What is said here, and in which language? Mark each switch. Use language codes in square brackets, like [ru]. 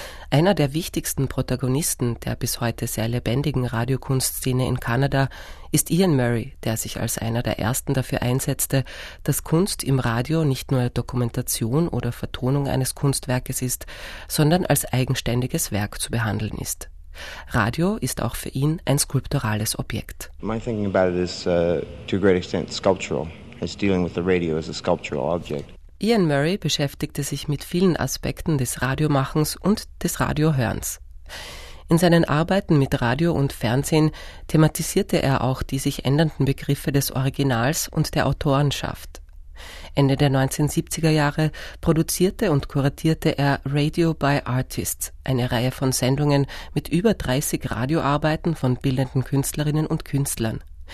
[de] Einer der wichtigsten Protagonisten der bis heute sehr lebendigen Radiokunstszene in Kanada ist Ian Murray, der sich als einer der ersten dafür einsetzte, dass Kunst im Radio nicht nur Dokumentation oder Vertonung eines Kunstwerkes ist, sondern als eigenständiges Werk zu behandeln ist. Radio ist auch für ihn ein skulpturales Objekt. [en] My thinking about it is to a great extent sculptural. It's dealing with the radio as a sculptural object. [de] Ian Murray beschäftigte sich mit vielen Aspekten des Radiomachens und des Radiohörens. In seinen Arbeiten mit Radio und Fernsehen thematisierte er auch die sich ändernden Begriffe des Originals und der Autorenschaft. Ende der 1970er Jahre produzierte und kuratierte er Radio by Artists, eine Reihe von Sendungen mit über 30 Radioarbeiten von bildenden Künstlerinnen und Künstlern.